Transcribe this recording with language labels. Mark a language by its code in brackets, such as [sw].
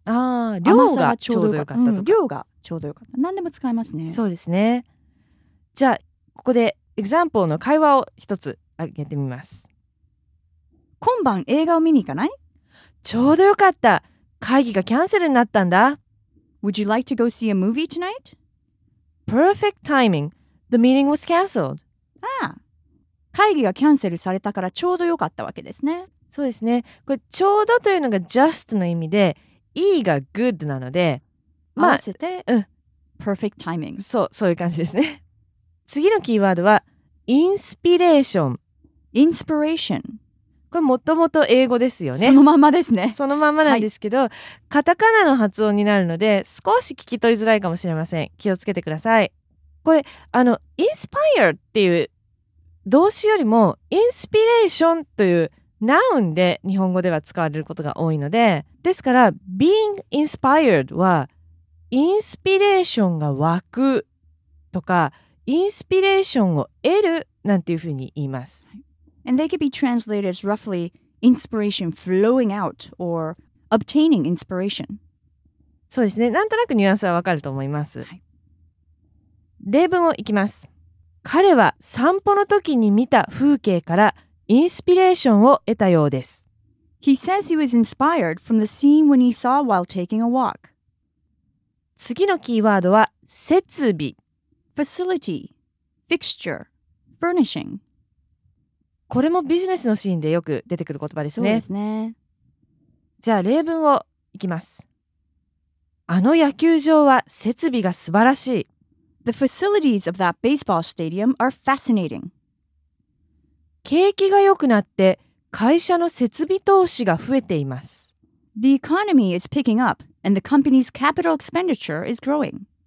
[ja] あ、量がちょうどよかったとか、うん、量がちょうどよかった、何でも使えますね。そうですね。じゃあここでエグザンポーの会話を一つ挙げてみます。今晩映画を見に行かない？ちょうどよかった。会議がキャンセルになったんだ。 [en] Would you like to go see a movie tonight? Perfect timing. The meeting was cancelled. [ja] ああ。会議がキャンセルされたからちょうどよかったわけですね。そうですね。これちょうどというのが just の意味で、いいが good なので、まあ、合わせて、うん、 [en] perfect timing。 [ja] そう、そういう感じですね。次のキーワードは、inspiration。 [en] inspiration。 [ja] これもともと英語ですよね。そのままですね。そのままなんですけど、はい、カタカナの発音になるので少し聞き取りづらいかもしれません。気をつけてください。これインスパイアっていう動詞よりもインスピレーションというナウンで日本語では使われることが多いので、ですから [en] being inspired [ja] はインスピレーションが湧くとかインスピレーションを得るなんていうふうに言います。 [en] And they could be translated as roughly inspiration flowing out or obtaining inspiration. [ja] そうですね。なんとなくニュアンスはわかると思います。例文をいきます。彼は散歩の時に見た風景からインスピレーションを得たようです。 [en] He says he was inspired from the scene when he saw while taking a walk. [ja] 次のキーワードは設備。 [en] Facility, fixture, furnishing. [ja] これもビジネスのシーンでよく出てくる言葉ですね。そうですね。じゃあ例文をいきます。あの野球場は設備が素晴らしい。 [en] The facilities of that baseball stadium are fascinating. [ja] 景気が良くなって会社の設備投資が増えています。 [en] The economy is picking up and the company's capital expenditure is growing.